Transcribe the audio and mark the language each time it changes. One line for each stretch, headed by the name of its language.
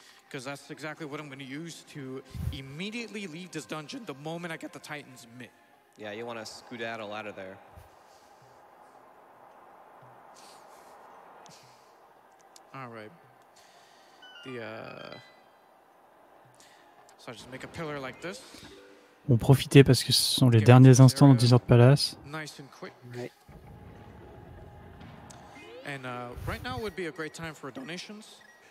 English: Because that's exactly what I'm going to use to immediately leave this dungeon the moment I get the Titan's mitt. Yeah, you want to scoodaddle out of there. All right. So I just make a pillar like this.
French: On profitait parce que ce sont les derniers instants dans Desert Palace.
English: Nice and quick. And right now would be a great time for donations.